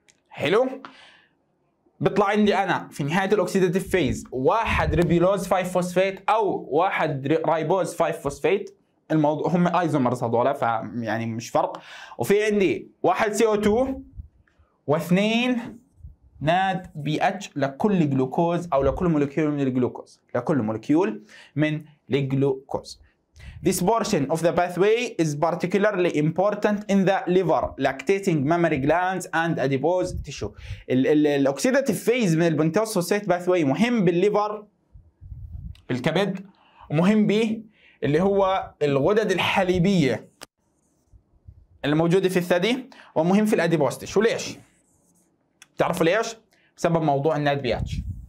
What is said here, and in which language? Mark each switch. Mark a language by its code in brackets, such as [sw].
[ar] حلو، بطلع عندي أنا في نهاية الأوكسيداتيف فيز واحد ريبيلوز 5 فوسفيت أو واحد ريبوز 5 فوسفيت، الموضوع هم أيزومرز هذولا فيعني مش فرق، وفي عندي واحد CO2 واثنين ناد بي اتش لكل جلوكوز او لكل مولكيول من الجلوكوز، لكل مولكيول من الجلوكوز. [en] This portion of the pathway is particularly important in the liver, lactating mammary glands and adipose tissue. [ar] الاوكسيداتيف فيز من البنتوس فوسفيت باثوي مهم بالليفر بالكبد، ومهم به اللي هو الغدد الحليبيه الموجوده في الثدي، ومهم في الاديبوز تيشو. ليش؟ تعرفوا ليش؟ بسبب موضوع الناد بي اتش.